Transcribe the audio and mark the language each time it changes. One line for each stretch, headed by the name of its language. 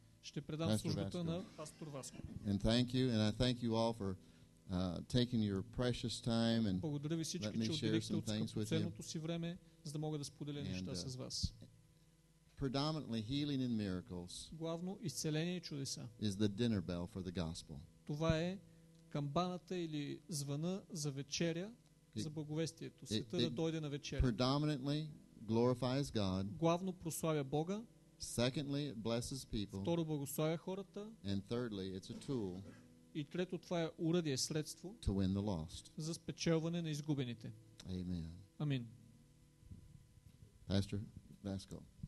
Bulgarian: Ще предам службата на пастор Васко.
English: And thank you, and I thank you all for taking your precious time and
Bulgarian: благодаря ви всички,
English: let me
Bulgarian: че
English: share some things with
Bulgarian: ценното си време, за да мога да споделя неща с вас.
English: Predominantly healing and miracles.
Bulgarian: Главно изцеление и чудеса.
English: Is the dinner bell for the gospel.
Bulgarian: Това е камбаната или звъна за вечеря, за благовестието. Света да дойде на вечеря.
English: Predominantly glorifies God.
Bulgarian: Главно прославя Бога.
English: Secondly, it blesses people.
Bulgarian: Второ, благославя хората.
English: And thirdly, it's a tool.
Bulgarian: И трето, това е уръдие, средство.
English: To win the lost.
Bulgarian: За спечелване на изгубените.
English: Amen.
Bulgarian: Амин.
English: Pastor Vasco.